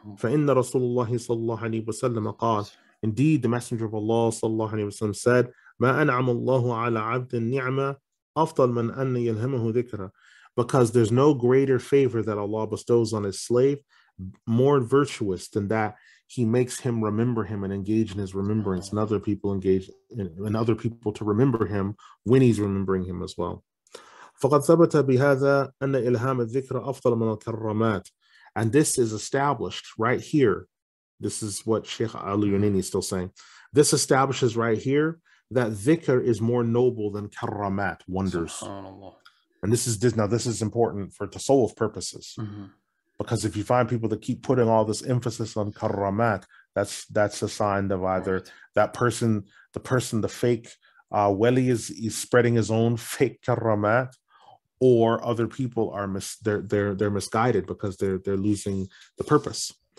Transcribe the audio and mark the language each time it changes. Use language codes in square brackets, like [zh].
[ar] فَإِنَّ رَسُولُ اللَّهِ صَلَّى اللَّهُ عَلَيْهِ وَسَلَّمَ قَالَ [en] indeed, the Messenger of Allah صلى الله عليه وسلم said, [ar] مَا أَنْعَمُ اللَّهُ عَلَى عَبْدِ النِّعْمَةِ أَفْضَلْ مَنْ أَنَّ يَلْهَمَهُ ذِكْرًا [en] because there's no greater favor that Allah bestows on his slave, more virtuous than that he makes him remember him and engage in his remembrance and other people engage in other people to remember him when he's remembering him as well. [ar] فَقَدْ ثَبَتَ بِهَذَا أَنَّ إِلْهَامَ الذِّكْرَ أَفْضَلَ مَنَ الْكَرَّمَاتِ [en] and this is established right here. This is what Shaykh Al-Yunini is still saying. This establishes right here that dhikr is more noble than karramat, wonders. And this is important for tasawwuf purposes. Mm-hmm. Because if you find people that keep putting all this emphasis on karramat, that's a sign of either that person, the fake wali is spreading his own fake karramat, or other people are they're misguided because they're losing the purpose.